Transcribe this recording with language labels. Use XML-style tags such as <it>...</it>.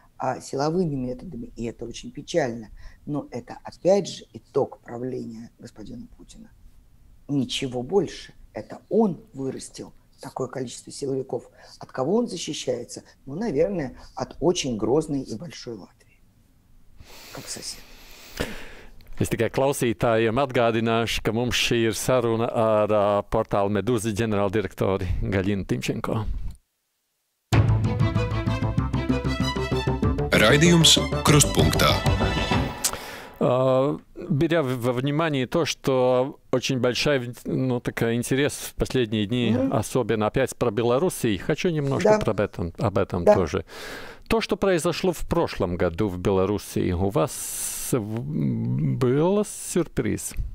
<ru>а силовыми методами, и это очень печально. Но это, опять же, итог правления господина Путина. Ничего больше. Это он вырастил такое количество силовиков. От кого он защищается? Ну, наверное, от очень грозной и большой Латвии. Как сосед.</ru> <lv>Es tikai klausītājiem atgādināšu, ka mums šī ir saruna ar portālu Medūza ģenerāldirektori Gaļinu Timčenko. Raidījums Krustpunktā.</lv> <ru>Беря во внимание то, что очень большой, ну, такой интерес в последние дни, особенно опять про Белоруссию, хочу немножко об этом тоже. То, что произошло в прошлом году в Белоруссии, у вас был сюрприз?</ru>